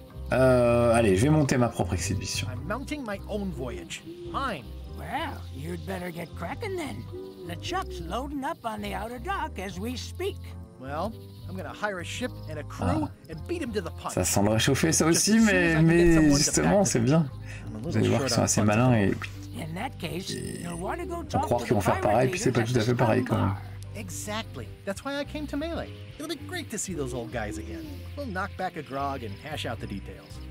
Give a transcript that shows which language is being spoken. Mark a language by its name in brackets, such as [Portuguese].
[French] Allez, je vais monter ma propre exhibition. [English] I'm mounting my own voyage. Fine. Well, you'd better get cracking then. The Chuck's loading up on the outer dock as we speak. Well, I'm gonna hire a ship and a crew and beat him to the punch. [French] Ça sent le réchauffer ça aussi, mais justement, c'est bien. Vous allez voir qu'ils sont assez malins et [English] in that case, you'll want to go talk to the pirate leader. [French] Puis c'est pas tout à fait pareil quand même. [English] Exactly. That's why I came to Melee. It'll be great to see those old guys again. We'll knock back a grog and hash out the details.